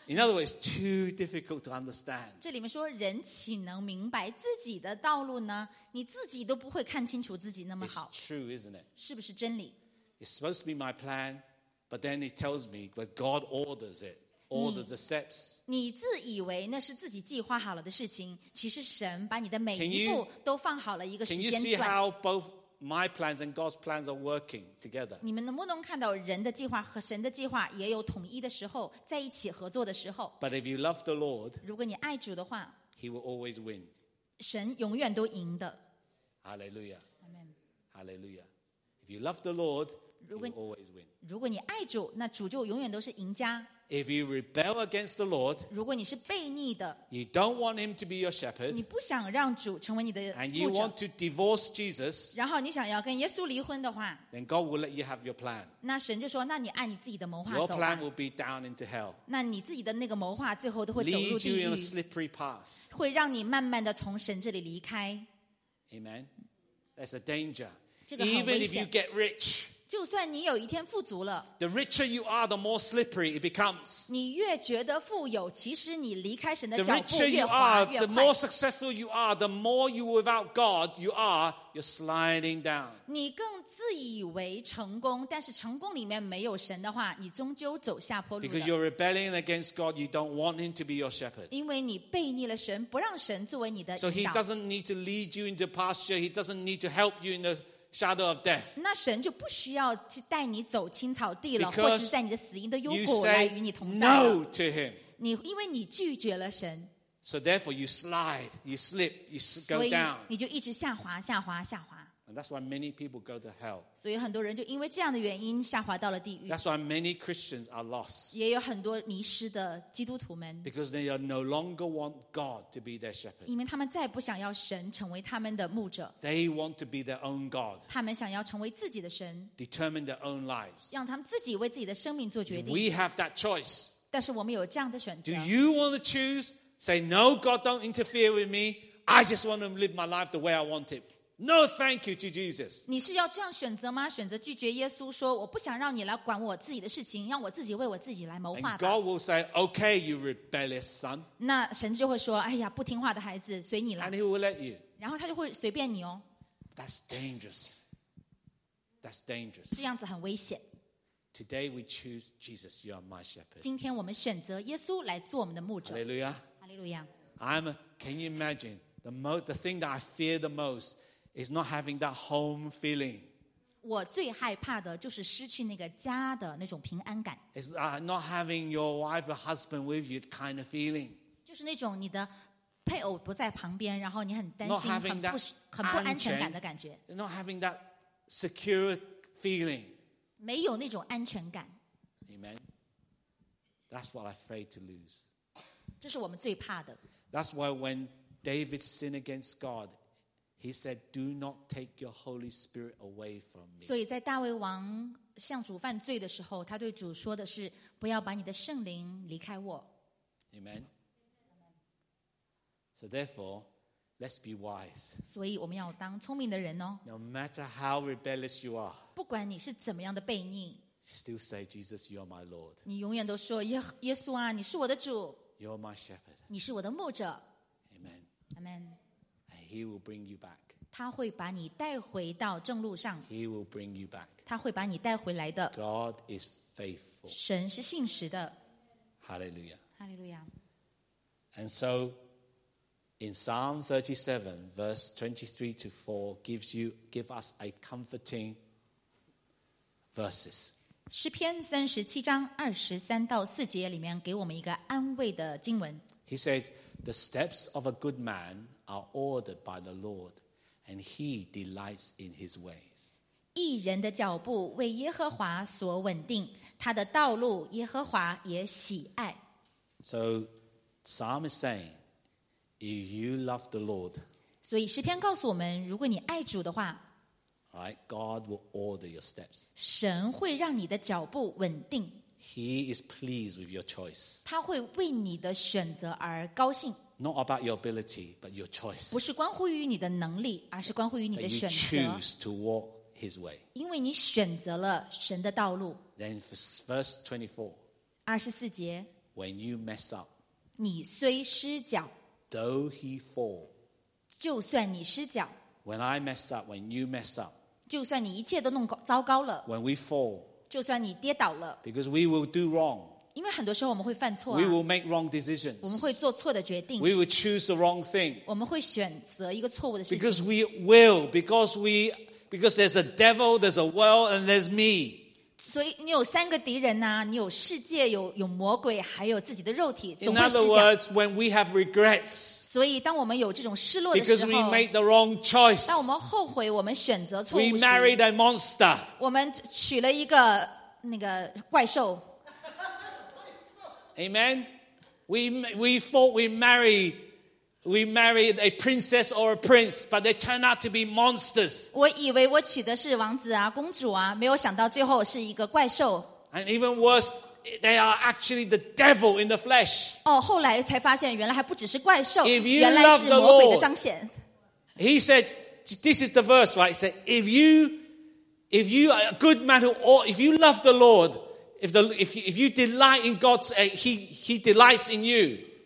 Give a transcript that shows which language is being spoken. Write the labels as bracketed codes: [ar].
[en] In other words, too difficult to understand. [zh] 这里面说人岂能明白自己的道路呢？你自己都不会看清楚自己那么好。 [en] It's true, isn't it? [zh] 是不是真理？ [en] It's supposed to be my plan, but then it tells me that God orders it, orders the steps. [zh] 你自以为那是自己计划好了的事情，其实神把你的每一步都放好了一个时间段。 [en] Can you see how both my plans and God's plans are working together? [zh] 你们能不能看到人的计划和神的计划也有统一的时候，在一起合作的时候？ [en] But if you love the Lord, [zh] 如果你爱主的话， [en] He will always win. [zh] 神永远都赢的。 [en] Hallelujah. Amen. Hallelujah. If you love the Lord, He will always win. [zh] 如果你爱主，那主就永远都是赢家。 [en] If you rebel against the Lord, [zh] 如果你是悖逆的， [en] you don't want him to be your shepherd, [zh] 你不想让主成为你的牧者， [en] and you want to divorce Jesus, [zh] 然后你想要跟耶稣离婚的话， [en] then God will let you have your plan. [zh] 那神就说，那你按你自己的谋划走吧。 [en] Your plan will be down into hell. [zh] 那你自己的那个谋划最后都会走入地狱。 [en] Lead you in a slippery path. [zh] 会让你慢慢的从神这里离开。 [en] Amen. That's a danger. [zh] 这个很危险。 [en] Even if you get rich. [zh] 就算你有一天富足了 [en] The richer you are, the more slippery it becomes. [zh] 你越觉得富有，其实你离开神的脚步越滑越快。 [en] The richer you are, the more successful you are, the more you without God you are, you're sliding down. [zh] 你更自以为成功，但是成功里面没有神的话，你终究走下坡路的。 [en] Because you're rebelling against God, you don't want him to be your shepherd. [zh] 因为你背逆了神，不让神作为你的引导。 [en] So he doesn't need to lead you into pasture, he doesn't need to help you in theShadow of death. [zh] 那神就不需要去带你走青草地了，或是在你的死荫的幽谷来与你同在。 [en] No to him. [zh] 你因为你拒绝了神。 [en] So therefore you slide, you slip, you go down. [zh] 所以你就一直下滑，下滑，下滑。 [en] And that's why many people go to hell. [zh] 所以很多人就因为这样的原因下滑到了地狱。 [en] That's why many Christians are lost. [zh] 也有很多迷失的基督徒们。 [en] Because they no longer want God to be their shepherd. [zh] 因为他们再不想要神成为他们的牧者。 [en] They want to be their own God. [zh] 他们想要成为自己的神。 [en] Determine their own lives. [zh] 让他们自己为自己的生命做决定。 [en] We have that choice. [zh] 但是我们有这样的选择。 [en] Do you want to choose? Say, no, God, don't interfere with me. I just want to live my life the way I want it. No, thank you to Jesus. [zh] 你是要这样选择吗？选择拒绝耶稣，说我不想让你来管我自己的事情，让我自己为我自己来谋划吧。 [en] And God will say, "Okay, you rebellious son." [zh] 那神就会说，哎呀，不听话的孩子，随你了。 [en] And he will let you. [zh] 然后他就会随便你哦。 [en] That's dangerous. That's dangerous. [zh] 这样子很危险。 [en] Today we choose Jesus. You are my shepherd. [zh] 今天我们选择耶稣来做我们的牧者。 [en] Hallelujah. Hallelujah. Can you imagine the thing that I fear the most? Is not having that home feeling. [zh] 我最害怕的就是失去那个家的那种平安感。 [en] Is not having your wife or husband with you kind of feeling. [zh] 就是那种你的配偶不在旁边，然后你很担心，很不安全感的感觉。 [en] Not having that secure feeling. [zh] 没有那种安全感。 [en] Amen. That's what I'm afraid to lose. [zh] 这是我们最怕的。 [en] That's why when David sinned against God, he said, "Do not take your Holy Spirit away from me." [zh] 所以在大卫王向主犯罪的时候，他对主说的是：“不要把你的圣灵离开我。” [en] Amen. So therefore, let's be wise. [zh] 所以我们要当聪明的人哦。 [en] No matter how rebellious you are, [zh] 不管你是怎么样的悖逆。 [en] Still say Jesus, you are my Lord. [zh] 你永远都说耶稣啊，你是我的主。 [en] You are my Shepherd. [zh] 你是我的牧者。 [en] Amen. Amen. And He will bring you back. [zh] 他会把你带回到正路上。 [en] He will bring you back. [zh] 他会把你带回来的。 [en] God is faithful. [zh] 神是信实的。 [en] Hallelujah. Hallelujah. And so, in Psalm 37, verse 23 to 4, give us a comforting verses. [zh] 诗篇三十七章二十三到四节里面给我们一个安慰的经文。 [en] He says, "The steps of a good man are ordered by the Lord, and he delights in his ways." [zh] 义人的脚步为耶和华所稳定，他的道路耶和华也喜爱。 [en] So, Psalm is saying, "If you love the Lord," [zh] 所以诗篇告诉我们，如果你爱主的话。 [en] Right, God will order your steps. [zh] 神会让你的脚步稳定。 [en] He is pleased with your choice. [zh] 他会为你的选择而高兴。 [en] Not about your ability, but your choice. [zh] 不是关乎于你的能力，而是关乎于你的选择。 [en] That you choose to walk His way. [zh] 因为你选择了神的道路。 [en] Then verse 24. [zh] 二十四节。 [en] When you mess up, [zh] 你虽失脚。 [en] Though he fall, [zh] 就算你失脚。 [en] When I mess up, when you mess up, [zh] 就算你一切都弄糟糕了。 [en] When we fall, [zh] 就算你跌倒了。 [en] Because we will do wrong, [zh] 因为很多时候我们会犯错啊。 [en] We will make wrong decisions, [zh] 我们会做错的决定。 [en] We will choose the wrong thing, [zh] 我们会选择一个错误的事情。 [en] Because we will, because there's a devil, there's a world, and there's me. [zh] 所以你有三个敌人啊，你有世界，有魔鬼，还有自己的肉体。 [en] In other words, when we have regrets. [zh] 所以当我们有这种失落的时候 [en] Because we made the wrong choice, [zh] 当我们后悔我们选择错误 [en] We married a monster, [zh] 我们娶了一个那个怪兽 [en] Amen? We thought we married a princess or a prince, but they turned out to be monsters. [zh] 我以为我娶的是王子啊公主啊没有想到最后是一个怪兽 [en] And even worse,They are actually the devil in the flesh. [zh] 哦，后来才发现，原来还不只是怪兽， [en] If you [zh] 原来是魔鬼的彰显。 [en] He said, "This is the verse, right?" He said, "If you are a good man who, or if you love the Lord, if you delight in God, he delights in you."